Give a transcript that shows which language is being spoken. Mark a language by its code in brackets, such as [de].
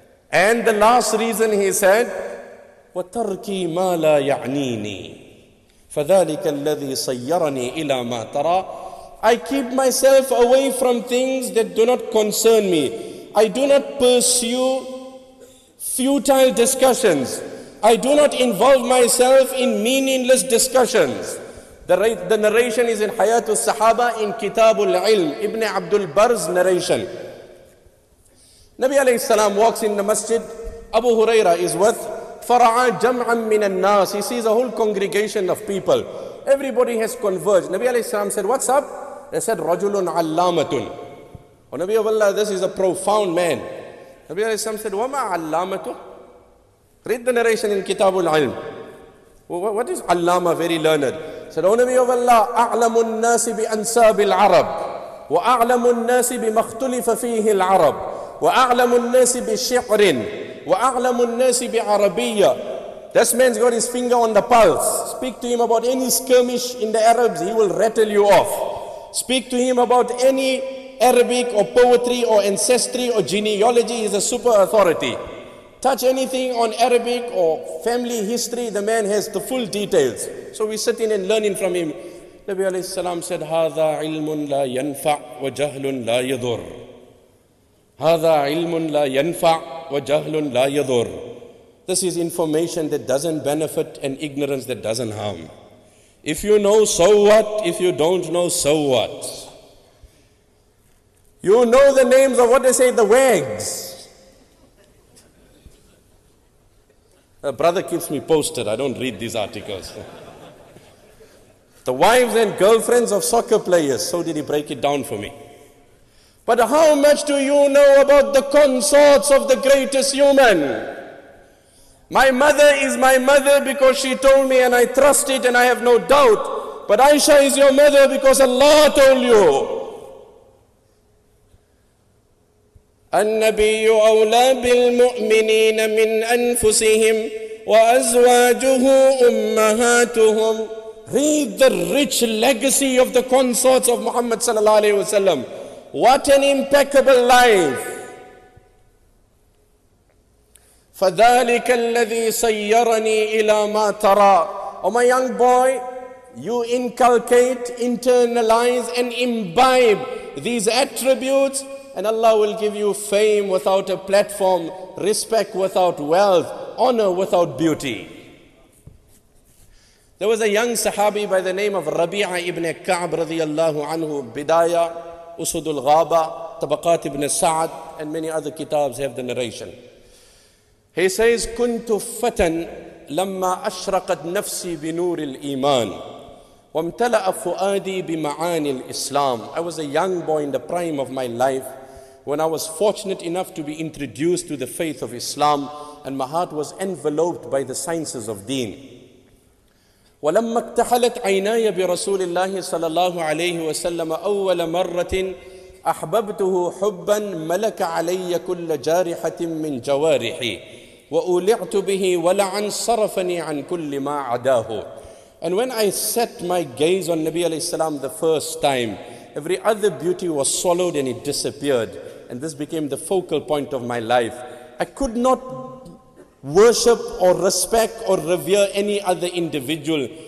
[en] And the last reason he said, [ar] وَتَرْكِي مَا لَا يَعْنِينِي فَذَلِكَ الَّذِي صَيَّرَنِي إِلَى مَا تَرَى. [en] I keep myself away from things that do not concern me. I do not pursue futile discussions. I do not involve myself in meaningless discussions. The narration is in Hayatul Sahaba in Kitab al-Ilm, Ibn Abdul Barr's narration. Nabi alayhi salam walks in the masjid. Abu Huraira is with. [ar] فَرَعَى جَمْعًا مِّنَ النَّاسِ. [en] He sees a whole congregation of people. Everybody has converged. Nabi alayhi salam said, what's up? They said, [ar] رَجُلٌ عَلَّامَةٌ. [en] O Nabi of Allah, this is a profound man. Nabi alayhi salam said, [ar] وَمَا عَلَّامَةٌ. [en] Read the narration in Kitab al-Ilm. What is عَلَّامَة, very learned? Said, O Nabi of Allah, [ar] أَعْلَمُ النَّاسِ بِأَنْسَابِ الْعَرَبِ وَأَعْلَمُ النَّاسِ بِمَخْتُلِفَ فِيهِ الْعَرَبِ وَأَعْلَمُ النَّاسِ بِشِعْرٍ وَأَعْلَمُ النَّاسِ بِعَرَبِيَّ. [en] This man's got his finger on the pulse. Speak to him about any skirmish in the Arabs, he will rattle you off. Speak to him about any Arabic or poetry or ancestry or genealogy, he's a super authority. Touch anything on Arabic or family history, the man has the full details. So we sit in and learning from him. Nabi alayhi salam said, [ar] هَذَا عِلْمٌ لَا يَنْفَعْ وَجَهْلٌ لَا يَذُرْ. هَذَا عِلْمٌ لَا يَنْفَعْ وَجَهْلٌ لَا يَذُرْ. [en] This is information that doesn't benefit and ignorance that doesn't harm. If you know, so what? If you don't know, so what? You know the names of, what they say, the wags. A brother keeps me posted. I don't read these articles. The wives and girlfriends of soccer players. So did he break it down for me. But how much do you know about the consorts of the greatest human? My mother is my mother because she told me and I trust it and I have no doubt. But Aisha is your mother because Allah told you. [ar] النبي أولى بالمؤمنين من أنفسهم وأزواجه أمهاتهم. [en] Read the rich legacy of the consorts of Muhammad sallallahu alaihi wasallam. What an impeccable life. [ar] فَذَٰلِكَ الَّذِي سَيَّرَنِي إِلَى مَا تَرَى. [en] Oh my young boy, you inculcate, internalize and imbibe these attributes and Allah will give you fame without a platform, respect without wealth, honor without beauty. There was a young sahabi by the name of Rabi'a ibn Ka'b radiyallahu anhu, Bidaya, Usudul Ghaba, Tabaqat ibn Sa'ad and many other kitabs have the narration. He says, [ar] كنت فتن لما أشرقت نفسي بنور الإيمان وامتلأ فؤادي بمعاني الإسلام. [en] I was a young boy in the prime of my life when I was fortunate enough to be introduced to the faith of Islam and my heart was enveloped by the sciences of deen. [ar] ولما اكتحلت عيناي برسول الله صلى الله عليه وسلم أول مرة أحببته حبا ملك علي كل جارحة من جوارحي وأولعت به ولعا صرفني عن كل ما عداه. [en] And when I set my gaze on Nabi alayhi salam the first time, every other beauty was swallowed and it disappeared. and this became the focal point of my life. I could not worship or respect or revere any other individual.